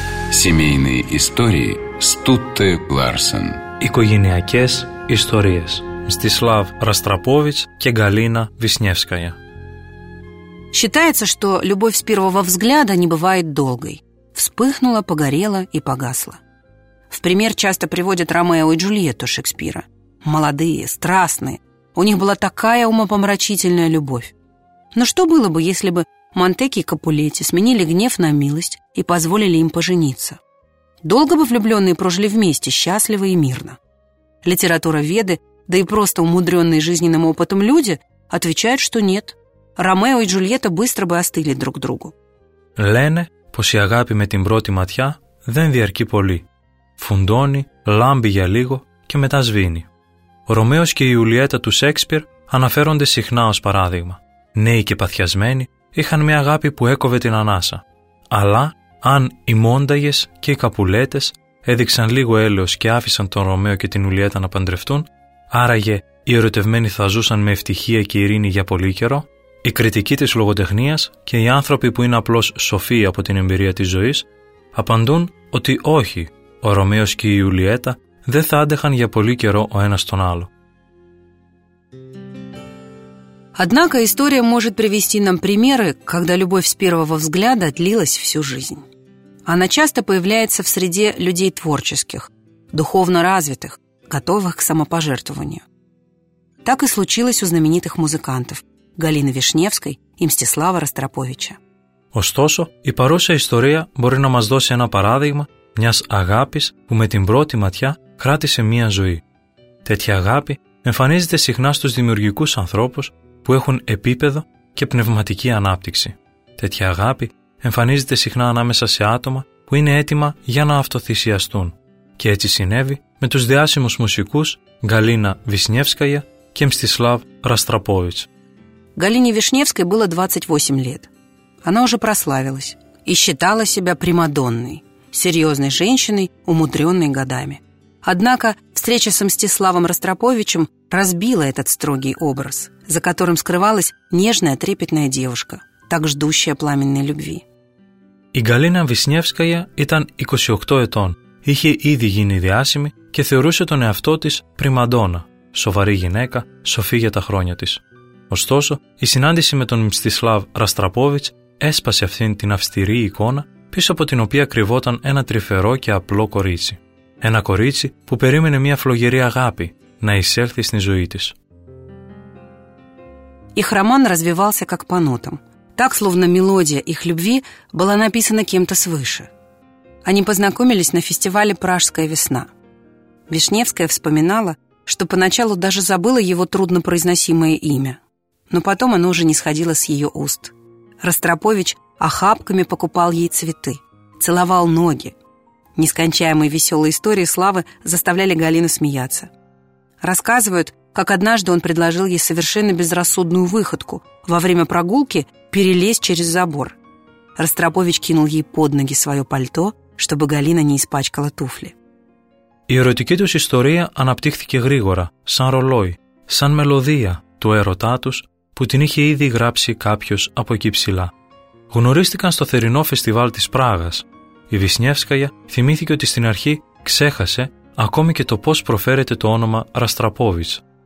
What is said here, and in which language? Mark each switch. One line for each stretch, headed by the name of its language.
Russian: Семейные истории Стутте Ларсен.
Greek: Οικογενειακές ιστορίες. Мстислав Растропович και Галина Вишневская.
Russian: Считается, что любовь с первого взгляда не бывает долгой. Вспыхнула, погорела и погасла. В пример часто приводят Ромео и Джульетту Шекспира. Молодые, страстные. У них была такая умопомрачительная любовь. Но что было бы, если бы Монтеки и Капулетти сменили гнев на милость и позволили им пожениться? Долго бы влюбленные прожили вместе, счастливо и мирно? Литературоведы, да и просто умудренные жизненным опытом люди, отвечают, что нет. Ромео и Джульетта быстро бы остыли друг к другу.
Greek: Лене, пос' агапи με την πρώτη ματιά, δεν διαρκεί πολύ. Φουντώνει, λάμπει για λίγο και μετά σβήνει. Ο Ρωμαίος και η Ιουλιέτα του Σέξπιρ αναφέρονται συχνά ως παράδειγμα. Νέοι και παθιασμένοι είχαν μια αγάπη που έκοβε την ανάσα. Αλλά αν οι Μόνταγες και οι Καπουλέτες έδειξαν λίγο έλεος και άφησαν τον Ρωμαίο και την Ιουλιέτα να παντρευτούν, άραγε οι ερωτευμένοι θα ζούσαν με ευτυχία και ειρήνη για πολύ καιρό, οι κριτικοί της λογοτεχνίας και οι άνθρωποι που είναι απλώς σοφοί από την εμπειρία της ζωής απαντούν ότι όχι, ο Ρωμαίος και η Ιουλιέτα δεν θα άντεχαν για πολύ καιρό ο ένας τον άλλο.
Russian: Однако история может привести нам примеры, когда любовь с первого взгляда длилась всю жизнь. Она часто появляется в среде людей творческих, духовно развитых, готовых к самопожертвованию. Так и случилось у знаменитых музыкантов Галины Вишневской и Мстислава Ростроповича.
Greek: Ωστόσο, η παρούσα ιστορία μπορεί να μας δώσει ένα παράδειγμα μιας αγάπης που με την πρώτη ματιά κράτησε μία ζωή. Τέτοια αγάπη εμφανίζεται συχνά στους δημιουργικούς ανθρώπους που έχουν επίπεδο και πνευματική ανάπτυξη. Τέτοια αγάπη εμφανίζεται συχνά ανάμεσα σε άτομα που είναι έτοιμα για να αυτοθυσιαστούν. Και έτσι συνέβη με τους διάσημους μουσικούς Γκαλίνα Вишневская και Мстислав Растропович.
Russian: Галине Вишневской было 28 лет. Она уже прославилась и считала себя примадонной, серьезной женщиной, умудренной годами. Однако встреча с Мстиславом Ростроповичем разбила этот строгий образ, за которым скрывалась нежная, трепетная девушка, так ждущая пламенной любви.
Greek: Η Галина Вишневская ήταν 28 ετών, είχε ήδη γίνει διάσημη και θεωρούσε τον εαυτό της πριμαντόνα, σοβαρή γυναίκα, σοφή για τα χρόνια της. Ωστόσο, η συνάντηση με τον Μστισλάβ Ραστραπόβιτς έσπασε αυτήν την αυστηρή εικόνα πίσω από την οποία κρυβόταν ένα τρυφερό και απλό κορίτσι. Ένα κορίτσι που περίμενε μια φλογερή αγάπη να εισέλθει στην ζωή της.
Russian: Η Χραμάν развивался как по нотам. Так, словно мелодия их любви была написана кем-то свыше. Они познакомились на фестивале «Пражская весна». Вишневская вспоминала, что поначалу даже забыла его труднопроизносимое имя. Но потом оно уже не сходило с ее уст. Ростропович охапками покупал ей цветы, целовал ноги. Нескончаемые веселые истории славы заставляли Галину смеяться. Рассказывают, как однажды он предложил ей совершенно безрассудную выходку. Во время прогулки перелезть через забор. Ростропович кинул ей под ноги свое пальто, чтобы Галина не испачкала туфли.
Greek: Η ερωτική τους ιστορία αναπτύχθηκε γρήγορα, σαν ρολόι, σαν μελωδία του έρωτά τους που την είχε ήδη γράψει κάποιος από εκεί ψηλά. Γνωρίστηκαν στο θερινό φεστιβάλ της Πράγας. Η Βισνιεύσκαγια θυμήθηκε ότι στην αρχή ξέχασε ακόμη και το πώς προφέρεται το όνομα Ραστραπόβιτς.